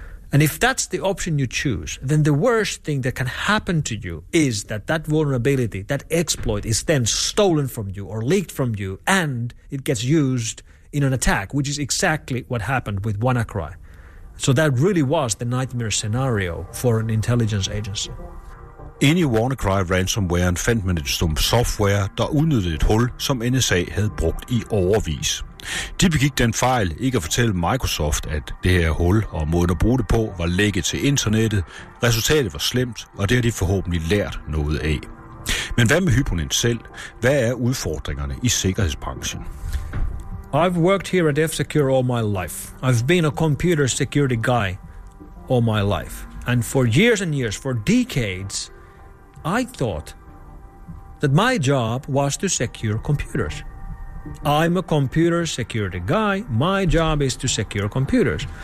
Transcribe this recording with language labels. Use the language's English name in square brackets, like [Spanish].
[English] And if that's the option you choose, then the worst thing that can happen to you is that that vulnerability, that exploit is then stolen from you or leaked from you, and it gets used in an attack, which is exactly what happened with WannaCry. So that really was the nightmare scenario for an intelligence agency. In your [Danish] WannaCry ransomware fandt man et stump software, der udnyttede et hul, som NSA havde brugt i årevis. De begik den fejl ikke at fortælle Microsoft, at det her hul og måden at bruge det på var lækket til internettet. Resultatet var slemt, og det har de forhåbentlig lært noget af. Men hvad med Hyponent selv? Hvad er udfordringerne i sikkerhedsbranchen? [English] I've worked here at F-Secure all my life. I've been a computer security guy all my life. And for years and years, for decades, I thought that my job was to secure computers. I'm a computer security guy. My job is to secure computers.